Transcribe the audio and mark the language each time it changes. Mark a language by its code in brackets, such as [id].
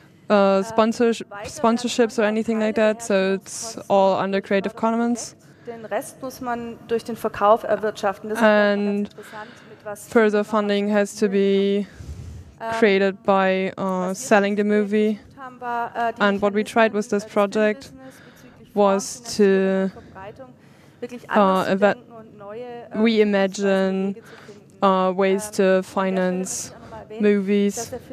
[en] sponsorships or anything like that, so it's all under Creative Commons. [de] Den Rest muss man durch den Verkauf erwirtschaften. Das [en] and further funding has to be created by selling the movie. And what we tried with this project was to reimagine ways to finance movies.